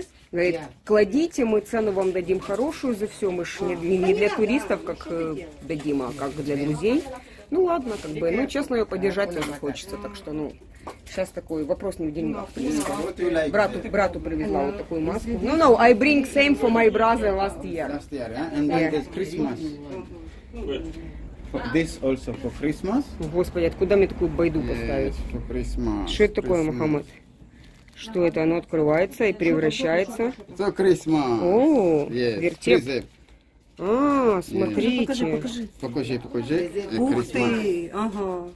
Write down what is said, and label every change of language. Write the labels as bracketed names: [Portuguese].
[Russian] Говорит, кладите, мы цену вам дадим хорошую за все, мы же не для туристов, как дадим, а как для друзей. Ну ладно, как бы, ну честно, ее поддержать тоже хочется, так что, ну, сейчас такой вопрос не в деньгах, в принципе. Брату привезла вот такую маску. [English] No, I bring same for my brother last year. Last year, and then there's Christmas. This also for Christmas. [Russian] Господи, откуда мне такую байду поставить? [English] For Christmas. [Russian] Что это такое, Мухаммад? Что это? Оно открывается и превращается. Это крисма. О, yes, вертеп. А, смотрите. Покажи. Ух ты, ага.